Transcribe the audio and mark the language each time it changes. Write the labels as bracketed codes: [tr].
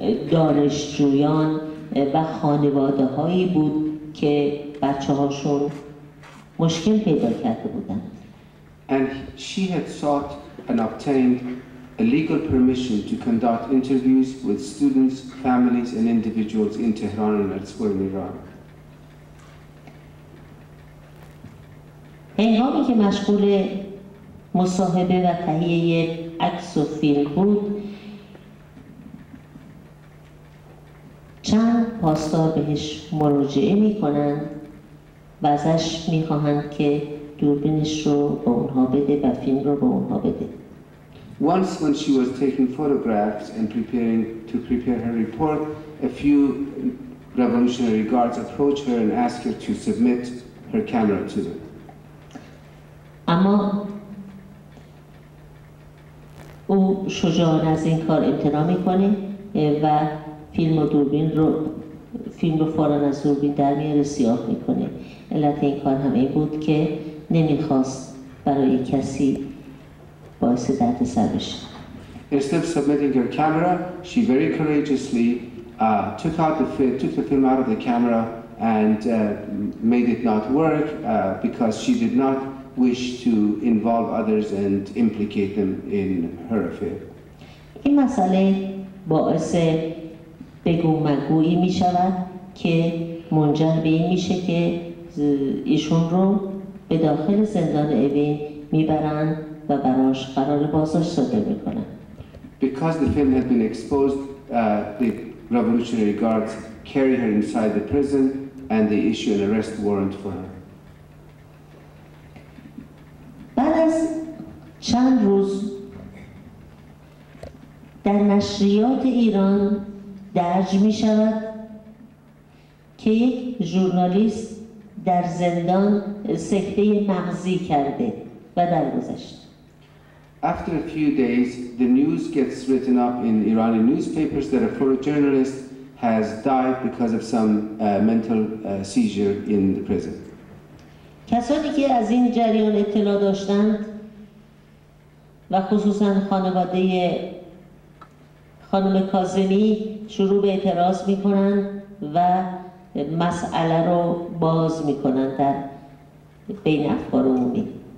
[fa] دانشجویان و خانواده هایی بود که بچه هاشون مشکل پیدا کرده بودند. [en] And she had sought and obtained a legal permission to conduct interviews with students, families and individuals in Tehran and elsewhere in Iran. [fa] هنگامی که مشغول مصاحبه و تهیه عکس و فیلم بود چند پاسدار بهش مراجعه میکنن و ازش میخواهند که دوربینش رو به اونها بده و فیلم رو به اونها بده. [en] Once when she was taking photographs and preparing her report, a few revolutionary guards approach her and ask her to submit her camera to them. [fa] اما او شجاعانه از این کار امتناع میکنه و فیلم و دوربین رو فیلم رو فوراً از دوربین در میاره سیاه میکنه. علت این کار هم این بود که نمیخواست برای کسی باعث درد سر بشه. [en] Instead of submitting her camera, she very courageously took the film out of the camera and made it not work because she did not wish to involve others and implicate them in her affair. [fa] این مسئله باعث بگو مگویی می شود که منجر به این میشه که ایشون رو به داخل زندان اوین میبرن و براش قرار بازداشت صادر میکنن. [en] Because the film had been exposed, the revolutionary guards carry her inside the prison and they issue an arrest warrant for her. [fa] بعد از چند روز نشریات ایران درج می شود که یک ژورنالیست در زندان سکته مغزی کرده و درگذشت. [en] After a few days, the news gets written up in Iranian newspapers that a photojournalist has died because of some mental seizure in the prison. [fa] کسانی که از این جریان اطلاع داشتند و خصوصا خانواده خانم کاظمی شروع به اعتراض می‌کنند و مسئله رو باز می‌کنند در بین افکار عمومی.